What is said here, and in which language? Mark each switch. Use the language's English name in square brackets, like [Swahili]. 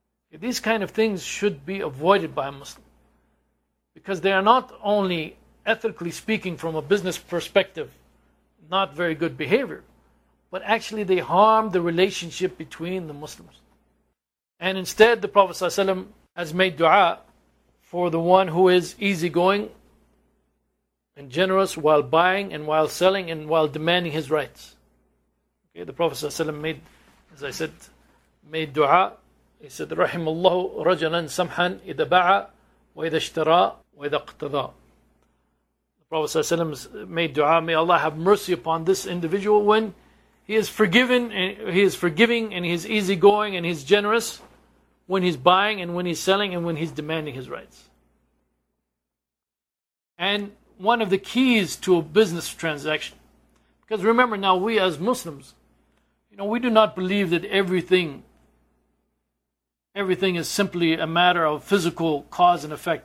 [English] These kind of things should be avoided by a Muslim, because they are not only, ethically speaking, from a business perspective, not very good behavior, but actually they harm the relationship between the Muslims. And instead, the Prophet ﷺ has made dua for the one who is easygoing and generous while buying and while selling and while demanding his rights. Okay, the Prophet ﷺ made dua. He said, [Arabic] رحم الله رجلا سمحا إذا باع وإذا اشترى وإذا اقتضى. [English] The Prophet ﷺ made dua, may Allah have mercy upon this individual when he is forgiven, he is forgiving, and he is easygoing, and he is generous when he's buying and when he's selling and when he's demanding his rights. And one of the keys to a business transaction, because remember now, we as Muslims, you know, we do not believe that everything is simply a matter of physical cause and effect.